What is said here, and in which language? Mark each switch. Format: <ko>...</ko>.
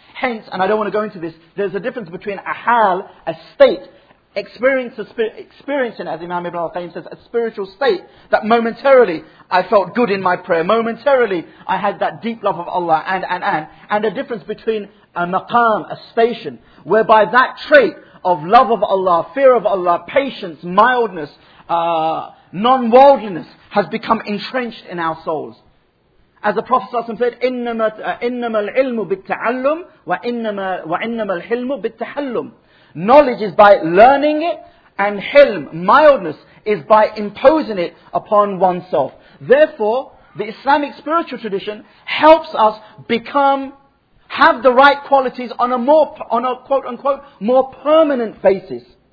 <en>Hence, and I don't want to go into this, there's a difference between a hal, a state, experiencing, as Imam Ibn al-Qayyim says, a spiritual state, that momentarily I felt good in my prayer, momentarily I had that deep love of Allah, and a difference between a maqam, a station, whereby that trait of love of Allah, fear of Allah, patience, mildness, non-worldliness, has become entrenched in our souls.</en> <ar>As the Prophet ﷺ said, إِنَّمَا الْعِلْمُ بِالتَّعَلُّمْ وَإِنَّمَا الْحِلْمُ بِالتَّحَلُّمْ.</ar> <en>Knowledge is by learning it, and hilm, mildness, is by imposing it upon oneself. Therefore, the Islamic spiritual tradition helps us have the right qualities on a quote-unquote, more permanent basis.</en>